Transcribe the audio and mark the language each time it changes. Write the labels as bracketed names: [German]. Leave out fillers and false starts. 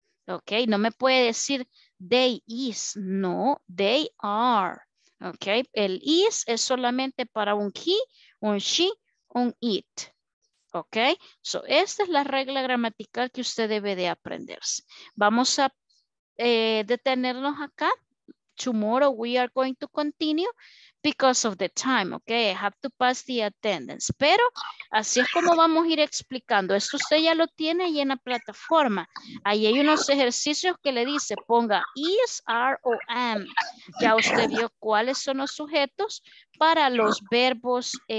[Spanish] Ok, no me puede decir they is. No, they are. Ok, el is es solamente para un he, un she, un it. Ok, so esta es la regla gramatical que usted debe de aprenderse. Vamos a detenernos acá. [English] Tomorrow we are going to continue because of the time. Ok, I have to pass the attendance. [Spanish] Pero así es como vamos a ir explicando. Esto usted ya lo tiene ahí en la plataforma. Ahí hay unos ejercicios que le dice, ponga is, are o am. Ya usted vio cuáles son los sujetos para los verbos.